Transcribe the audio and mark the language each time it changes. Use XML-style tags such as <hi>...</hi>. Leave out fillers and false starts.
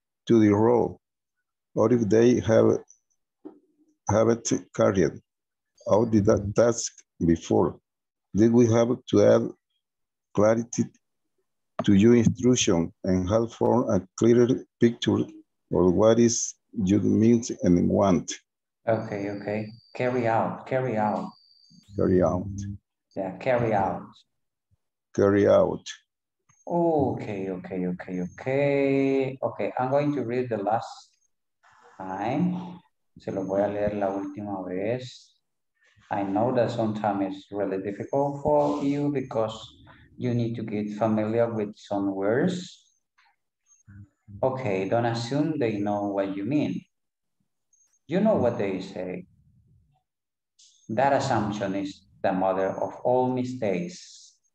<en>to the role, or if they have it carried out the task before, then we have to add clarity to your instruction and help form a clearer picture of what is you mean and want. Okay, okay. Carry out, carry out. Carry out. Yeah, carry out. Carry out. Okay, okay, okay, okay. Okay, I'm going to read the last time.</en> <es>Se lo voy a leer la última vez.</es> <en>I know that sometimes it's really difficult for you because you need to get familiar with some words. Okay, don't assume they know what you mean. You know what they say. That assumption is the mother of all mistakes.</en>